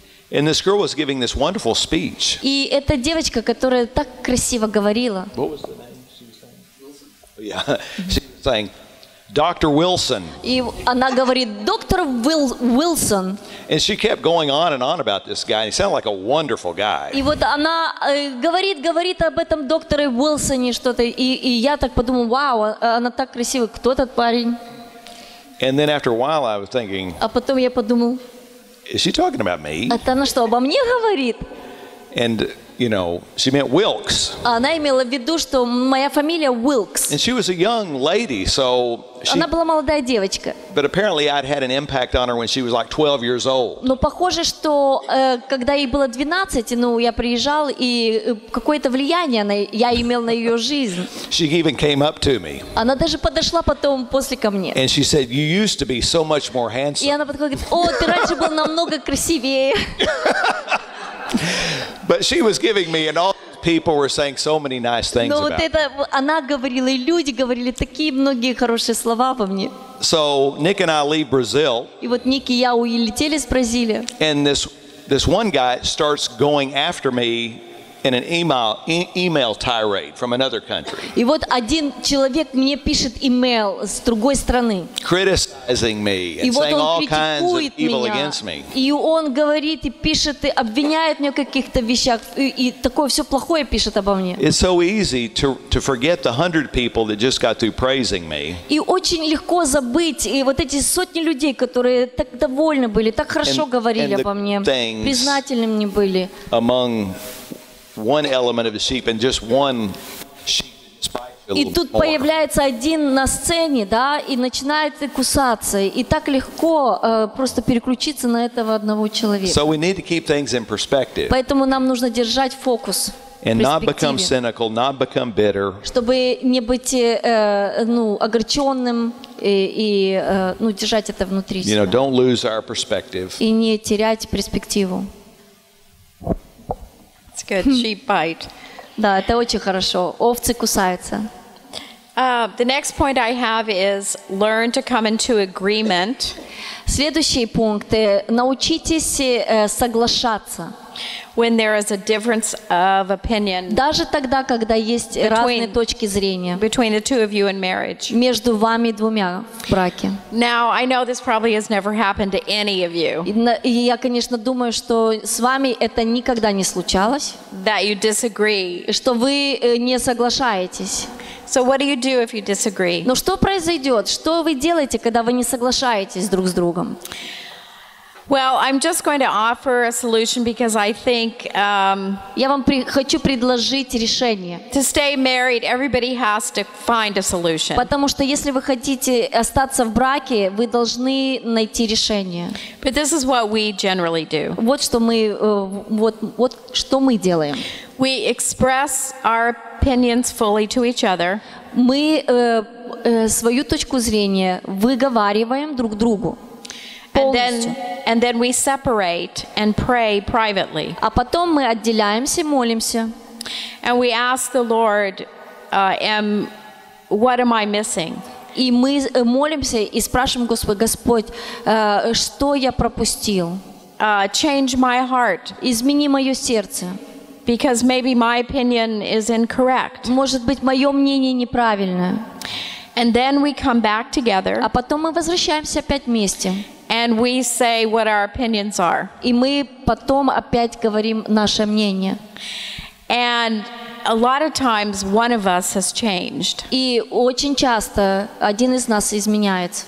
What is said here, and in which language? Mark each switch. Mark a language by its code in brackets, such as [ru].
[en] And this girl was giving this wonderful speech. [ru] И эта девочка, которая так красиво говорила. [en] What was the name she was saying? Wilson. Yeah. She was saying, Dr. Wilson. [ru] И она говорит, доктор Уилсон. [en] And she kept going on and on about this guy. He sounded like a wonderful guy. [ru] И вот она говорит об этом докторе Уилсоне что-то. И я так подумал, вау, она так красива. Кто этот парень? [en] And then after a while I was thinking. [ru] А потом я подумал. [en] Is she talking about me? [ru] Это она что, обо мне говорит? [en] And, you know, she meant Wilkes. [ru] Она имела в виду, что моя фамилия Wilkes. [en] And she was a young lady, so she... [ru] Она была молодая девочка. [en] But apparently I'd had an impact on her when she was like 12 years old. [ru] Но похоже, что когда ей было 12, ну, я приезжал, и какое-то влияние я имел на ее жизнь. [en] She even came up to me. [ru] Она даже подошла потом после ко мне. [en] And she said, you used to be so much more handsome. [ru] И она подходит, о, ты раньше был намного красивее. [en] But she was giving me, and all people were saying so many nice things [ru] но [en] about [ru] вот это, она говорила, и люди говорили такие многие хорошие слова обо мне. [en] So Nick and I leave Brazil. [ru] И вот Ник и я улетели с Бразилии. [en] And this one guy starts going after me in an email tirade from another country. [ru] И вот один человек мне пишет email с другой страны. [en] Criticizing me and saying all kinds of evil against me. [ru] И он говорит и пишет и обвиняет меня в каких-то вещах и такое всё плохое пишет обо мне. [en] It's so easy to forget the 100 people that just got through praising me. [ru] И очень легко забыть и вот эти сотни людей, которые так довольны были, так хорошо говорили обо мне, признательны мне были. [en] Among one element of the sheep and just one sheep. [ru] И тут появляется один на сцене, да, и начинает кусаться, и так легко просто переключиться на этого одного человека. [en] So we need to keep things in perspective. [ru] Поэтому нам нужно держать фокус. [en] And not become cynical, not become bitter. [ru] Чтобы не быть, ну, огорчённым и ну, держать это внутри себя. [en] You know, don't lose our perspective. [ru] И не терять перспективу. [en] It's good. Sheep bite. [ru] Да, это очень хорошо. Овцы кусаются. [en] The next point I have is learn to come into agreement. [ru] Следующий пункт. Научитесь соглашаться. [en] when there is a difference of opinion. [ru] Даже тогда, когда есть разные точки зрения. [en] Between the two of you in marriage. [ru] Между вами двумя в браке. [en] Now I know this probably has never happened to any of you. [ru] И я, конечно, думаю, что с вами это никогда не случалось. [en] That you disagree. [ru] Что вы не соглашаетесь. [en] So what do you do if you disagree? [ru] Но что произойдёт? Что вы делаете, когда вы не соглашаетесь друг с другом? [en] Well, I'm just going to offer a solution because I think [ru] я вам хочу предложить решение. [en] To stay married, everybody has to find a solution. [ru] Потому что если вы хотите остаться в браке, вы должны найти решение. [en] But this is what we generally do. [ru] Вот что мы что мы делаем. [en] We express our opinions fully to each other. [ru] Мы свою точку зрения выговариваем друг другу. [en] And then we separate and pray privately. [ru] А потом мы отделяемся, молимся. [en] And we ask the Lord, what am I missing? [ru] И мы молимся и спрашиваем Господь, Господь, что я пропустил? [en] Change my heart. [ru] Измени моё сердце. [en] Because maybe my opinion is incorrect. [ru] Может быть, моё мнение неправильное. [en] And then we come back together. [ru] А потом мы возвращаемся опять вместе. [en] And we say what our opinions are. [ru] И мы потом опять говорим наше мнение. [en] And a lot of times one of us has changed. [ru] И очень часто один из нас изменяется.